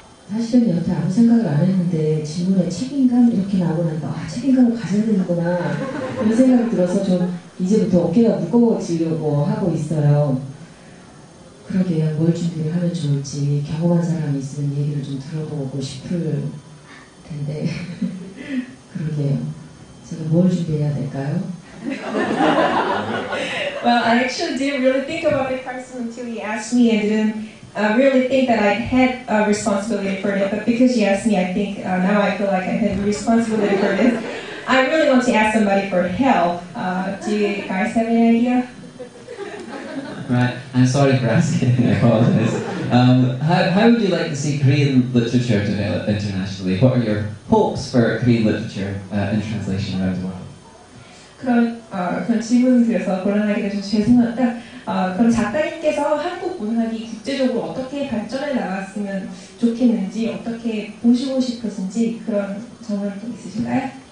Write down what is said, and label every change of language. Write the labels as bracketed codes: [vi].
[ko] 사실은 여태 아무 생각을 안 했는데 질문에 책임감 이렇게 나오고 나니까 아 책임감을 가져야 되는구나 이런 생각이 들어서 좀 이제부터 어깨가 무거워지려고 하고 있어요. 그러게요. 뭘 준비를 하면 좋을지 경험한 사람이 있으면 얘기를 좀 들어보고 싶을 텐데 그러게요. 제가 뭘 준비해야 될까요? [en] Well, I actually didn't really think about it first until you asked me and didn't really think that I had a responsibility for it. But because you asked me, I think now I feel like I have a responsibility for this. I really want to ask somebody for help. Do you guys have any idea? Right. I'm sorry for asking all this. How would you like to see Korean literature develop internationally? What are your hopes for Korean literature in translation around the world? [ko] 그런 질문을 드려서 곤란하게 좀 죄송합니다. 그럼 작가님께서 한국 문학이 국제적으로 어떻게 발전해 나갔으면 좋겠는지 어떻게 보시고 싶으신지 그런 점을 좀 있으신가요?